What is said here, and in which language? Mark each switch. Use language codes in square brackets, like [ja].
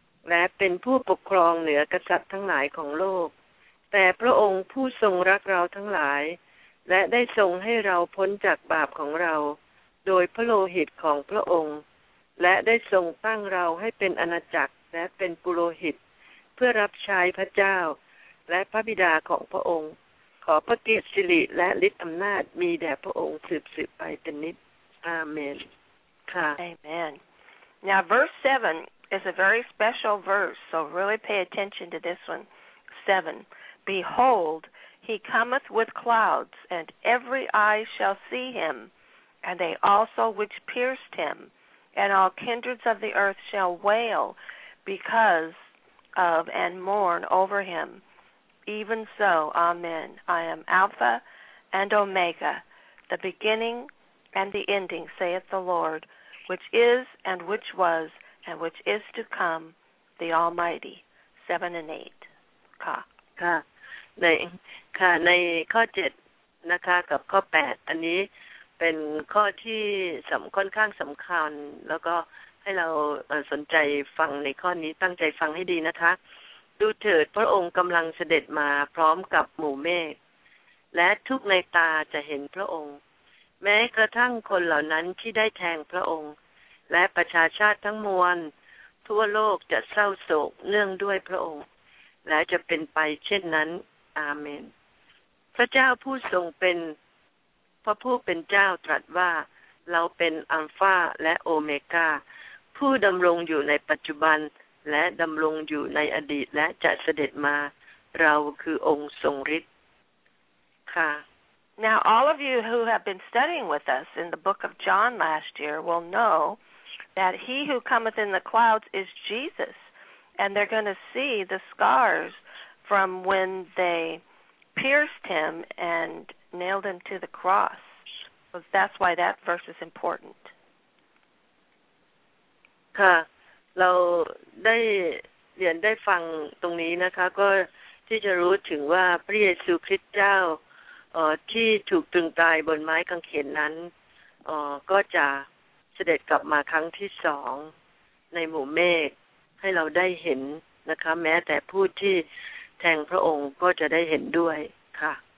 [th] และเป็นผู้ปกครองเหนือกษัตริย์ทั้งหลายของโลกแต่พระองค์ผู้ทรงรักเราทั้งหลายและได้ทรงให้เราพ้นจากบาปของเราโดยพระโลหิตของพระองค์และได้ทรงตั้งเราให้เป็นอาณาจักรและเป็นปุโรหิตเพื่อรับใช้พระเจ้าและพระบิดาของพระองค์ขอพระเกียรติสิริและฤทธิ์อำนาจมีแด่พระองค์สืบๆไปเป็นนิจอาเมน [en] Amen. Now, verse 7 is a very special verse, so really pay attention to this one. 7. Behold, he cometh with clouds, and every eye shall see him, and they also which pierced him, and all kindreds of the earth shall wail because of and mourn over him. Even so, Amen. I am Alpha and Omega, the beginning and the ending, saith the Lord. Which is, and which was, and which is to come, the Almighty. 7 and 8. ค่ะ [th] ค่ะในข้อ7นะคะกับข้อ8อันนี้เป็นข้อที่ค่อนข้างสำคัญแล้วก็เ ให้เราสนใจฟังในข้อนี้ตั้งใจฟังให้ดีนะคะดูเถิดพระองค์กำลังเสด็จมาพร้อมกับหมู่เมฆและทุกในตาจะเห็นพระองค์แม้กระทั่งคนเหล่านั้นที่ได้แทงพระองค์และประชาชาติทั้งมวลทั่วโลกจะเศร้าโศกเนื่องด้วยพระองค์และจะเป็นไปเช่นนั้นอาเมนพระเจ้าผู้ทรงเป็น พระผู้เป็นเจ้าตรัสว่าเราเป็นอัลฟาและโอเมก้าผู้ดำรงอยู่ในปัจจุบันและดำรงอยู่ในอดีตและจะเสด็จมาเราคือองค์ทรงฤทธิ์ค่ะ [en] Now all of you who have been studying with us in the book of John last year will know that he who cometh in the clouds is Jesus and they're going to see the scars from when they pierced him and nailed him to the cross so that's why that verse is important [th] ค่ะเราได้เรียนได้ฟังตรงนี้นะคะก็ที่จะรู้ถึงว่าพระเยซูคริสต์เจ้าที่ถูกตรึงตายบนไม้กางเขนนั้นก็จะเสด็จกลับมาครั้งที่สองในหมู่เมฆให้เราได้เห็นนะคะแม้แต่ผู้ที่แทงพระองค์ก็จะได้เห็นด้วยค่ะ